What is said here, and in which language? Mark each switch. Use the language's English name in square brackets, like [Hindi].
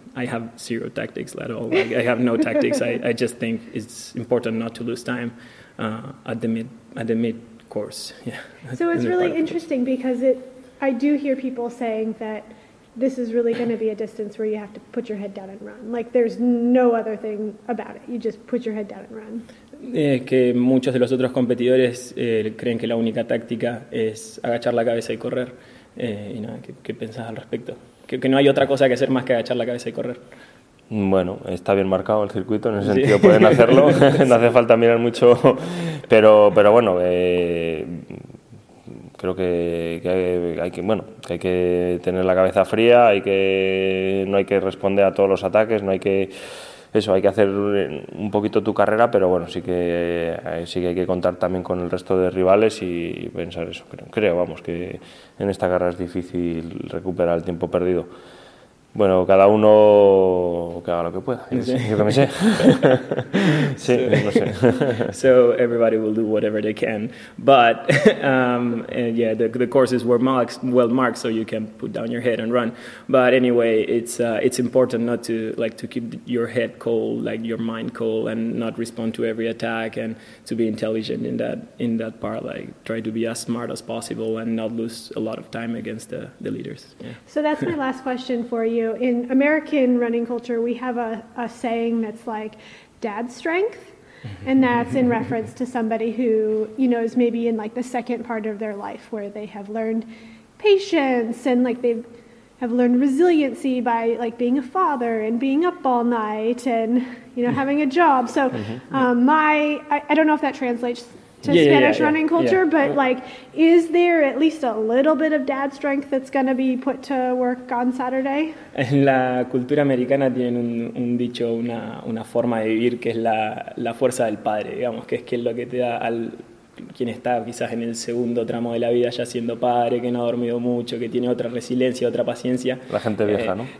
[English] I have zero tactics at all. Like, I have no tactics. I just think it's important not to lose time at the mid course. Yeah. So it's really interesting because I do hear people saying that this is really going to be a distance where you have to put your head down and run. Like, there's no other thing about it. You just put your head down and run. [Spanish] Que muchos de los otros competidores creen que la única táctica es agachar la cabeza y correr. Y nada, ¿qué pensás al respecto? Que no hay otra cosa que hacer más que agachar la cabeza y correr. Bueno, está bien marcado el circuito, en ese sentido pueden hacerlo. No hace falta mirar mucho. Pero bueno, creo que hay que tener la cabeza fría, no hay que responder a todos los ataques, hay que hacer un poquito tu carrera, pero bueno, sí que hay que contar también con el resto de rivales y pensar eso. Creo, vamos, que en esta carrera es difícil recuperar el tiempo perdido. Bueno, cada uno que haga lo que pueda. Yo que me sé. Sí, no sé. [English] So everybody will do whatever they can, but yeah, the course is well marked, so you can put down your head and run. But anyway, it's important not to like to keep your head cold, like your mind cold, and not respond to every attack, and to be intelligent in that part. Like, try to be as smart as possible and not lose a lot of time against the leaders. Yeah. So that's my last question for you. In American running culture, we have a saying that's like dad's strength, and that's in reference to somebody who, you know, is maybe in like the second part of their life where they have learned patience and like they have learned resiliency by like being a father and being up all night and, you know, having a job. So I don't know if that translates to Spanish running culture, but like, is there at least a little bit of dad strength that's going to be put to work on Saturday? [Spanish] En la cultura americana tienen un dicho, una forma de vivir que es la fuerza del padre, digamos, que es lo que te da al quien está quizás en el segundo tramo de la vida ya siendo padre, que no ha dormido mucho, que tiene otra resiliencia, otra paciencia. La gente vieja, ¿no?